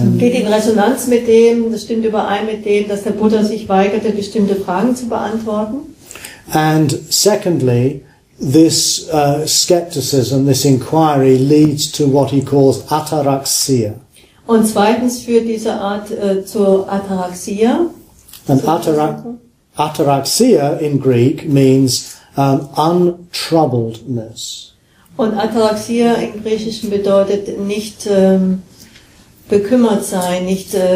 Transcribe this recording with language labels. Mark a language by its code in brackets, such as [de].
[de] Geht in Resonanz mit dem, das stimmt überein mit dem, dass der Buddha sich weigerte, bestimmte Fragen zu beantworten. [en] And secondly, this skepticism, this inquiry leads to what he calls Ataraxia. [de] Und zweitens führt diese Art zur Ataraxia. [en] And Ataraxia in Greek means untroubledness. [de] Und Ataraxia im Griechischen bedeutet nicht bekümmert sein, nicht